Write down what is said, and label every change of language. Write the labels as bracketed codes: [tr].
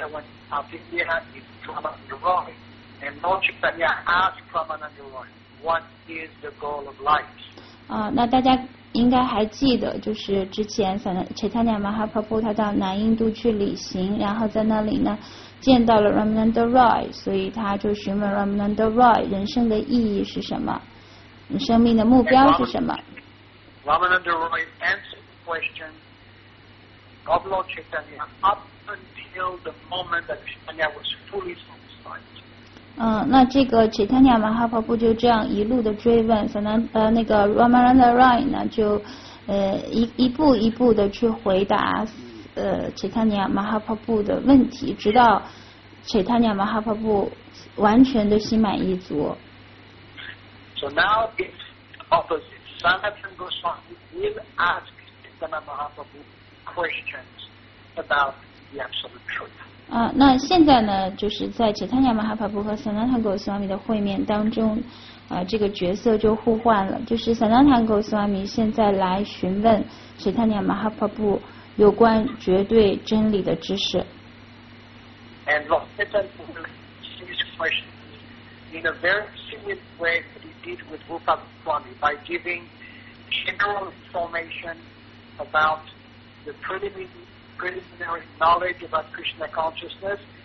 [en] Chaitanya went to India and Ramananda Roy, and Lord Chaitanya asked Ramananda Roy, "What is the goal of life?" [zh] 那大家应该还记得，就是之前 Chaitanya Mahaprabhu 他到南印度去旅行，然后在那里呢见到了 Ramananda Roy， 所以他就询问 Ramananda Roy 人生的意义是什么，生命的目标是什么。 [en] Ramananda Roy answered the question of Lord Chaitanya up until the moment that Chaitanya was fully satisfied. [zh] 那这个 Chaitanya Mahaprabhu 就这样一路的追问，那个 Ramananda Roy 呢，就一步一步的去回答Chaitanya Mahaprabhu 的问题，直到 Chaitanya Mahaprabhu 完全的心满意足。 [en] So now it's opposite. Sanatana Goswami will ask Chaitanya Mahaprabhu questions about the absolute truth. [zh] 那现在呢，就是在 Chaitanya Mahaprabhu 和 Sanatana Goswami 的会面当中，这个角色就互换了，就是 Sanatana Goswami 现在来询问 Chaitanya Mahaprabhu 有关绝对真理的知识。 [en] And Lord Chaitanya sees questions in a very similar way that he did with Rupa Goswami by giving general information about the preliminary knowledge about Krishna consciousness,